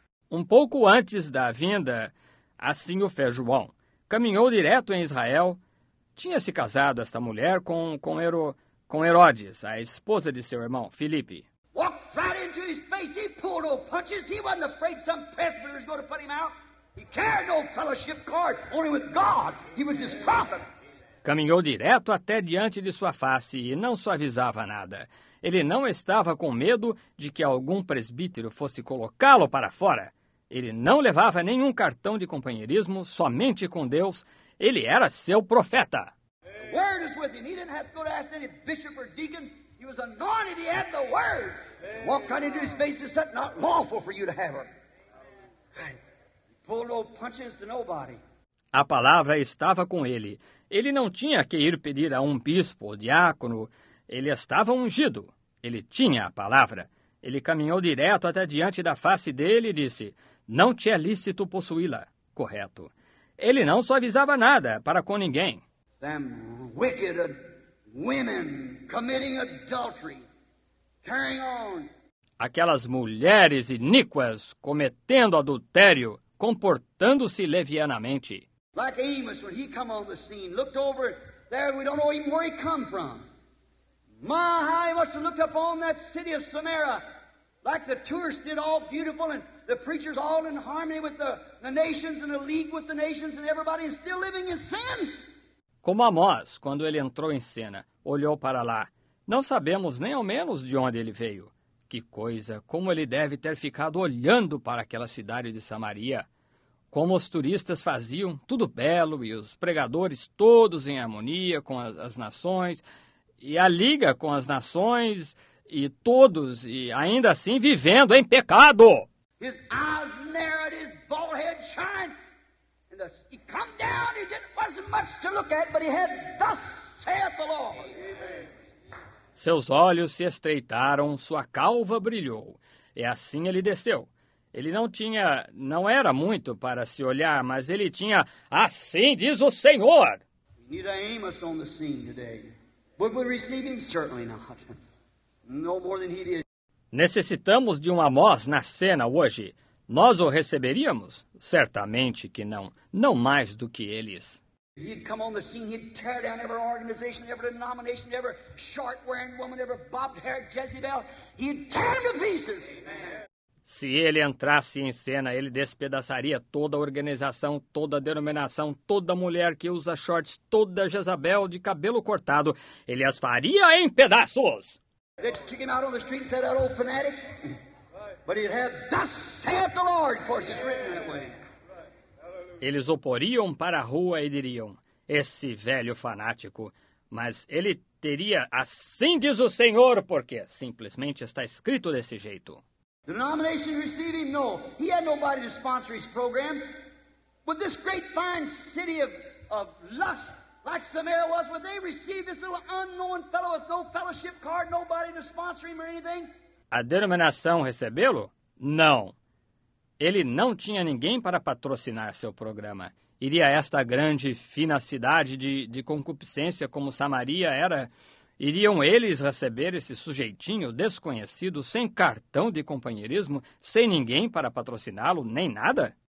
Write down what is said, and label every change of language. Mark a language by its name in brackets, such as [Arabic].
[Portuguese] Um pouco antes da vinda, assim o fez João. Caminhou direto em Israel, tinha se casado esta mulher com Herodes, a esposa de seu irmão, Filipe. [English] Walked right into his face, he pulled no punches, he wasn't afraid some presbyter was going to put him out. He carried no fellowship card, only with God, he was his prophet. [Portuguese] Caminhou direto até diante de sua face e não suavizava nada. Ele não estava com medo de que algum presbítero fosse colocá-lo para fora. Ele não levava nenhum cartão de companheirismo, somente com Deus. Ele era seu profeta. [English] The word is with him. He didn't have to go to ask any bishop or deacon. He was anointed. He had the word. Walked right into his face and said, not lawful for you to have her. He pulled no punches to nobody. [Portuguese] A palavra estava com ele. Ele não tinha que ir pedir a um bispo ou diácono. Ele estava ungido. Ele tinha a palavra. Ele caminhou direto até diante da face dele e disse, não te é lícito possuí-la. Correto. Ele não suavizava nada para com ninguém. [English] Them wicked women committing adultery. Carrying on. [Portuguese] Aquelas mulheres iníquas cometendo adultério, comportando-se levianamente. [English] Like Amos, when he come on the scene, looked over there, we don't know even where he come from. My, how he must have looked upon that city of Samaria, like the tourists did, all beautiful, and the preachers all in harmony with the nations, and a league with the nations, and everybody is still living in sin. [Portuguese] Como Amós, quando ele entrou em cena, olhou para lá. Não sabemos nem ao menos de onde ele veio. Que coisa, como ele deve ter ficado olhando para aquela cidade de Samaria. Como os turistas faziam, tudo belo, e os pregadores todos em harmonia com as nações, e a liga com as nações, e todos, e ainda assim vivendo em pecado. [English] His eyes narrowed, his bald head shined. And he come down, he didn't, wasn't much to look at, but he had, thus saith the Lord. Amen. [Portuguese] Seus olhos se estreitaram, sua calva brilhou, e assim ele desceu. Ele não tinha, não era muito para se olhar, mas ele tinha, assim diz o Senhor. [English] We need a Amos on the scene today. Would we receive him? Certainly not. No more than he did. [Portuguese] Necessitamos de um Amós na cena hoje. Nós o receberíamos? Certamente que não. Não mais do que eles. [English] He'd come on the scene, he'd tear down every organization, every denomination, every short-wearing woman, every bobbed-haired Jezebel. He'd tear them to pieces. Amen. [Portuguese] Se ele entrasse em cena, ele despedaçaria toda a organização, toda a denominação, toda mulher que usa shorts, toda Jezabel de cabelo cortado. Ele as faria em pedaços. [English] They'd kick him out on the street and say that old fanatic. But he'd have, thus saith the Lord, for it's written that way. [Portuguese] Eles o poriam para a rua e diriam, esse velho fanático. Mas ele teria, assim diz o Senhor, porque simplesmente está escrito desse jeito. [English] The denomination received him? No. He had nobody to sponsor his program. But this great fine city of lust, like Samaria was, would they receive this little unknown fellow with no fellowship card, nobody to sponsor him or anything? [Portuguese] A denominação recebê-lo? Não. Ele não tinha ninguém para patrocinar seu programa. Iria esta grande, fina cidade de concupiscência como Samaria era... Iriam eles receber esse sujeitinho desconhecido, sem cartão de companheirismo, sem ninguém para patrociná-lo, nem nada?